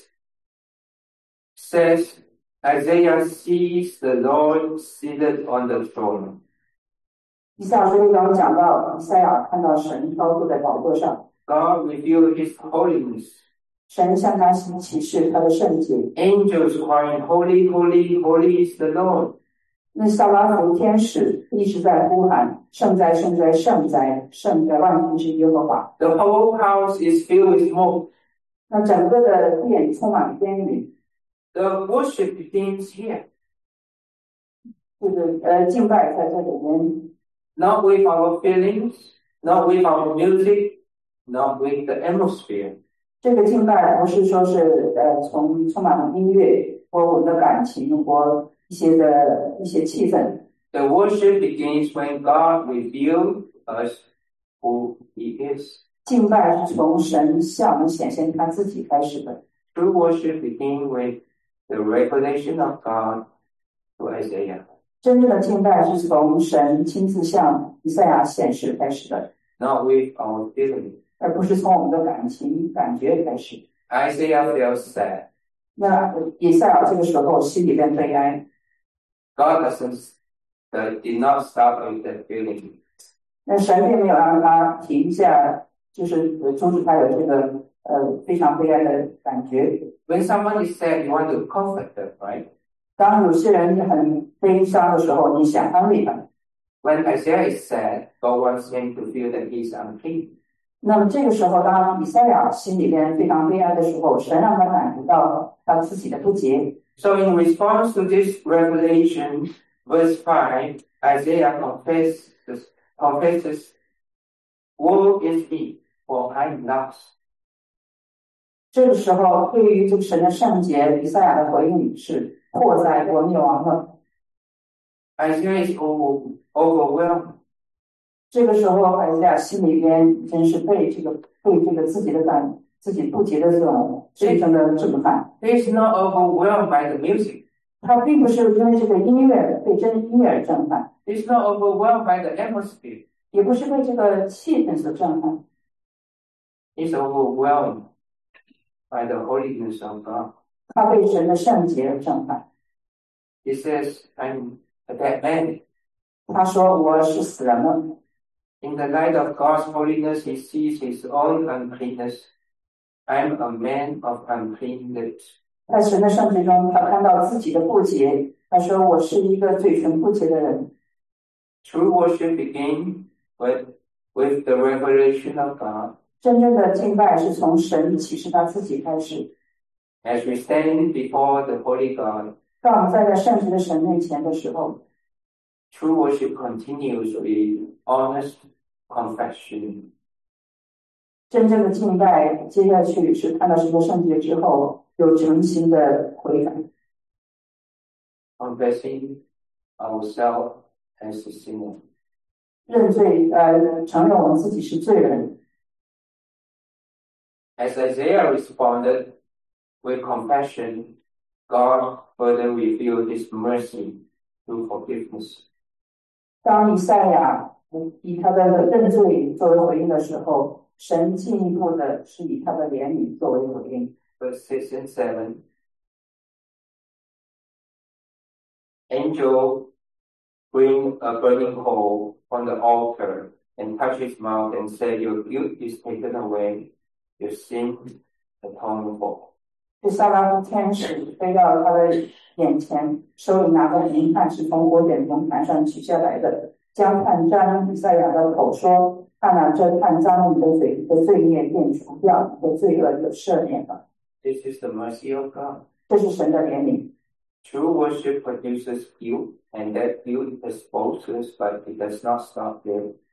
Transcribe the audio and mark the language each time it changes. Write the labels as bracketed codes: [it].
[en] Isaiah 6 says, Isaiah sees the Lord seated on the throne. [zh] 以赛亚书第六章讲到，以赛亚看到神高坐在宝座上。 [en] God revealed His holiness. [zh] 神向他启示他的圣洁。 [en] Angels crying, "Holy, holy, holy is the Lord." [zh] 那撒拉弗天使一直在呼喊，圣哉，圣哉，圣哉，圣哉，万军之耶和华。 [en] The whole house is filled with smoke. [zh] 那整个的殿充满烟雨。 [en] The worship begins here. [zh] 敬拜在这里面。 [en] Not with our feelings, not with our music, not with the atmosphere. [zh] 这个敬拜不是说是从充满音乐或我们的感情或一些气氛。 [en] The worship begins when God reveals us who He is. [zh] 敬拜是从神向我们显现他自己开始的。 [en] True worship begins with the revelation of God to Isaiah. [zh] 真正的敬拜是从神亲自向以赛亚显示开始的。 [en] Not with our feelings. [zh] 而不是从我们的感情感觉开始。 [en] Isaiah feels sad. [zh] 那以赛亚这个时候心里边悲哀。 [en] God did not stop with that feeling. [zh] 那神并没有让他停下，就是终止他的这个非常悲哀的感觉。 [en] When someone is sad, you want to comfort them, right? [zh] 当有些人很悲伤的时候，你想安慰他。 [en] When Isaiah is sad, God wants him to feel that he is unclean. [zh] 那么这个时候，当以赛亚心里边非常悲哀的时候，神让他感觉到他自己的不洁。 [en] So in response to this revelation, verse 5, Isaiah confesses, "Woe is me, for I am lost." [zh] 这个时候，对于这个神的圣洁，以赛亚的回应是。祸灾，我灭亡了。 [en] Isaiah is overwhelmed. [zh] 这个时候，以赛亚心里边真是被这个自己不洁的这种罪行的震撼。 [en] He is not overwhelmed by the music. [zh] 他并不是因为这个音乐被真音乐而震撼。 [en] He is not overwhelmed by the atmosphere. [zh] 也不是被这个气氛所震撼。 [en] He is overwhelmed by the holiness of God. [zh] 他被神的圣洁而震撼。 [en] He says, "I'm a dead man." [zh] 他说我是死人了。 [en] In the light of God's holiness, he sees his own uncleanness. I'm a man of unclean lips. [zh] 在神的圣洁中，他看到自己的不洁。他说我是一个嘴唇不洁的人。 [en] True worship begins with the revelation of God. [zh] 真正的敬拜是从神启示他自己开始。 [en] As we stand before the Holy God, [zh] 当我们站在圣洁的神面前的时候 [en] ，True worship continues with honest confession. [zh] 真正的敬拜接下去是看到神的圣洁之后有诚心的悔改 [en] ，Confessing ourselves as sinners. [zh] 认罪，承认我们自己是罪人。 [en] As Isaiah responded. With compassion, God further revealed His mercy through forgiveness. [zh] 当以赛亚以他的认罪作为回应的时候，神进一步的是以他的怜悯作为回应。 [en] Verse 6 and 7. Angel bring a burning coal on the altar and touch his mouth and say, your guilt is taken away, your sin atoned for. [zh] 这撒拉的天使飞到了他的眼前，手里拿着银饭，是从我眼中拿上取下来的，将饭沾了以赛亚的口，说：“看哪，这饭沾了你的嘴，你的罪孽便除掉，你的罪恶就赦免了。” [en] This is the mercy of God. [zh] 这是神的怜悯。 [en] True worship produces guilt, and that guilt exposes, but it does not stop there.